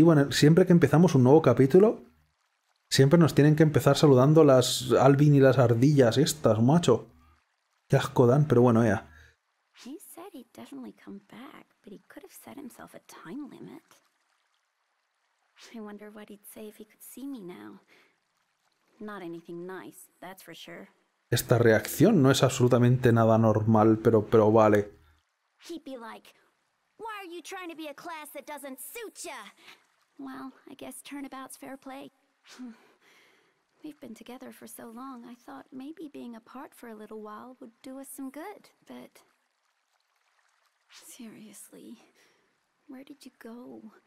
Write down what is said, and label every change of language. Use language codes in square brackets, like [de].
[es] Siempre que empezamos un nuevo capítulo, siempre nos tienen que empezar saludando las Alvin y las ardillas estas, macho. Qué asco dan, pero bueno, ya. [en] He said he'd definitely come back, but he could have set himself a time limit. I wonder what he'd say if he could see me now. Not anything nice, that's for sure. [es] Esta reacción no es absolutamente nada normal, pero vale. [en] He'd be like, why are you trying to be a class that doesn't suit ya? Well, I guess turnabout's fair play. We've been together for so long, I thought maybe being apart for a little while would do us some good, but seriously, where did you go?